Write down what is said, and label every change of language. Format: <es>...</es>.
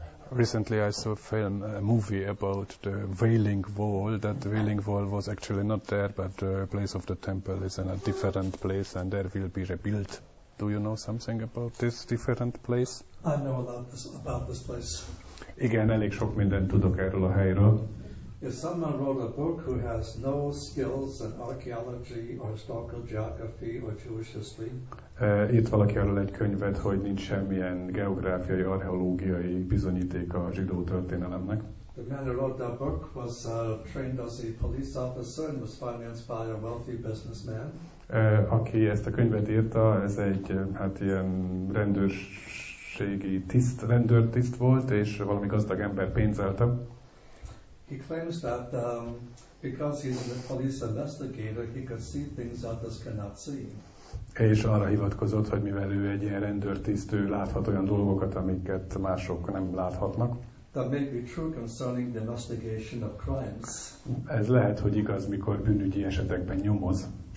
<en>Recently I saw a movie about the Wailing Wall, that the Wailing Wall was actually not there, but the place of the temple is in a different place and there will be rebuilt. Do you know something about this different place? I know about this place.</en> <hu>Igen, elég sok mindent tudok erről a helyről.</hu> <en>If someone wrote a book who has no skills in archaeology or historical geography or Jewish history,</en> <hu>írt valaki arról egy könyvet, hogy nincs semmilyen geográfiai, archeológiai bizonyíték a zsidó történelemnek.</hu> <en>The man who wrote that book was trained as a police officer and was financed by a wealthy businessman.</en> <hu>Aki ezt a könyvet írta, ez egy hát ilyen rendőrségi tiszt, rendőrtiszt volt, és valami gazdag ember pénzelte.</hu> <en>He claims that because he's a police investigator, he can see things others cannot see.</en> <hu>És arra hivatkozott, hogy mivel ő egy ilyen rendőrtiszt, ő láthat olyan dolgokat, amiket mások nem láthatnak.</hu> <en>That may be true concerning the investigation of crimes.</en> <hu>Ez lehet, hogy igaz, mikor bűnügyi esetekben nyomoz.</hu>